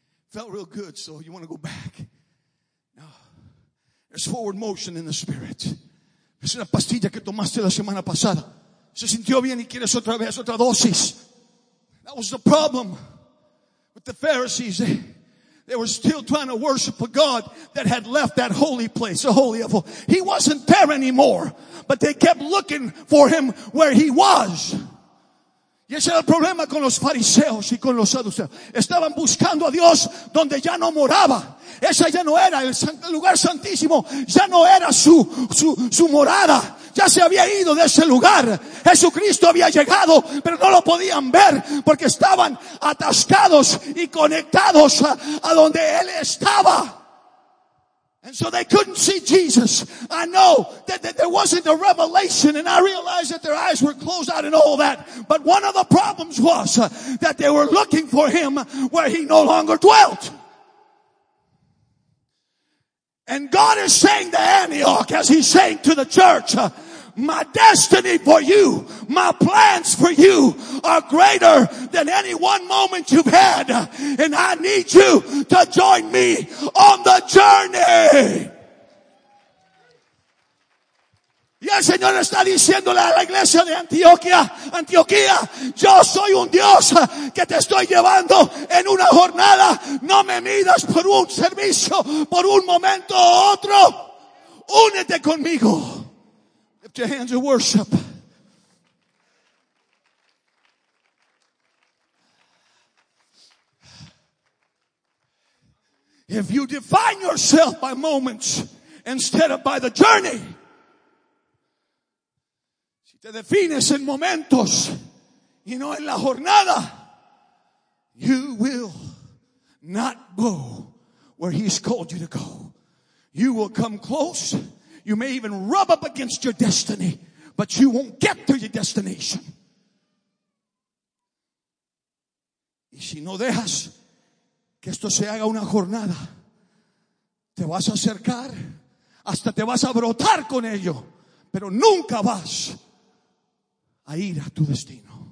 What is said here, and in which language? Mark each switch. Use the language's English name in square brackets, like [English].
[English] Felt real good, so you want to go back. No. There's forward motion in the spirit. [Spanish] Es una pastilla que tomaste la semana pasada. Se sintió bien y quieres otra vez, otra dosis. [English] That was the problem with the Pharisees. They were still trying to worship a God that had left that holy place, the holy of all. He wasn't there anymore, but they kept looking for him where he was. [Spanish] Y ese era el problema con los fariseos y con los saduceos. Estaban buscando a Dios donde ya no moraba. Ese ya no era el lugar santísimo. Ya no era su morada. Ya se había ido de ese lugar. Jesucristo había llegado, pero no lo podían ver porque estaban atascados y conectados a donde él estaba. [English] And so they couldn't see Jesus. I know that there wasn't a revelation, and I realized that their eyes were closed out and all that. But one of the problems was that they were looking for him where he no longer dwelt. And God is saying to Antioch, as he's saying to the church, my destiny for you, my plans for you are greater than any one moment you've had. And I need you to join me on the journey. [Spanish] Y el Señor está diciéndole a la iglesia de Antioquía, yo soy un Dios que te estoy llevando en una jornada. No me midas por un servicio, por un momento o otro. Únete conmigo. [English] Lift your hands of worship. If you define yourself by moments instead of by the journey, [Spanish] si te defines en momentos y no en la jornada, [English] you will not go where he's called you to go. You will come close. You may even rub up against your destiny, but you won't get to your destination. [Spanish] Y si no dejas que esto se haga una jornada, te vas a acercar, hasta te vas a brotar con ello, pero nunca vas a ir a tu destino.